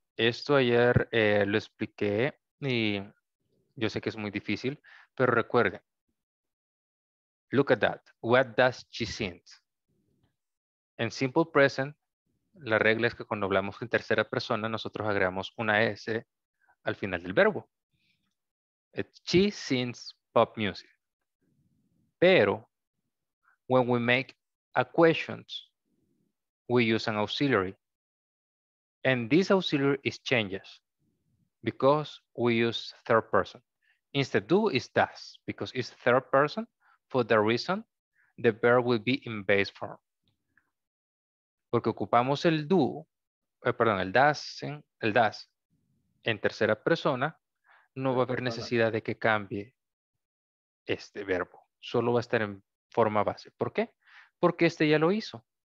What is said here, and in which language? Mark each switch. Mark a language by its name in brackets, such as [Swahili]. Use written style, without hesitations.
[Spanish] Esto ayer lo expliqué y yo sé que es muy difícil, pero recuerden. [English] Look at that. What does she think? [Spanish] En simple present, la regla es que cuando hablamos en tercera persona, nosotros agregamos una S al final del verbo. [English] She sings pop music. Pero, when we make a question, we use an auxiliary. And this auxiliary is changes because we use third person. Instead, do is does because it's third person. For that reason, the verb will be in base form. [Spanish] Porque ocupamos el do, perdón, el does, en tercera persona, no va a haber necesidad de que cambie este verbo. Solo va a estar en forma base. ¿Por qué? Porque este ya lo hizo.